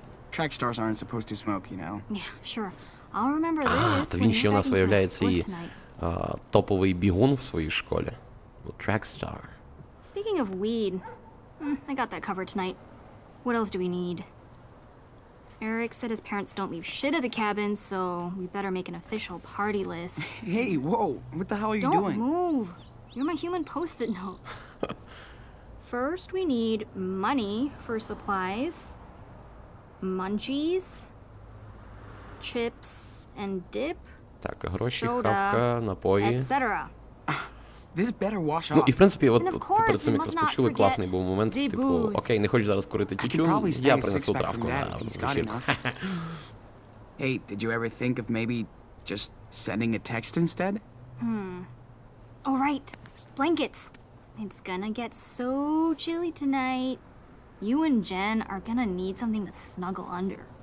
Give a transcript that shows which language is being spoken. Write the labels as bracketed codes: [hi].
[en] Track stars aren't supposed to smoke, you know? Yeah, sure. I'll remember this. [uk] То він ще у нас виявляє цей топовий бігун в своїй школі. [en] Track star. Speaking of weed, I got that covered tonight. What else do we need? Eric said his parents don't leave shit at the cabin, so we better make an official party list. Hey, whoa, what the hell are you don't doing? Don't move. You're my human post-it note. First, we need money for supplies, munchies, chips and dip, [uk] так, гроші, soda, напої, [en] etc. This better wash off. [uk] Ну, і, в принципі, от ви перед цим якраз почули, класний був момент, типу, окей, не хочеш зараз курити тютюн, я принесу травку на вечірку. [en] Hey, did you ever think of maybe just sending a text instead? Oh, right. Blankets. It's gonna get so chilly tonight. You and Jen are gonna need something to snuggle under.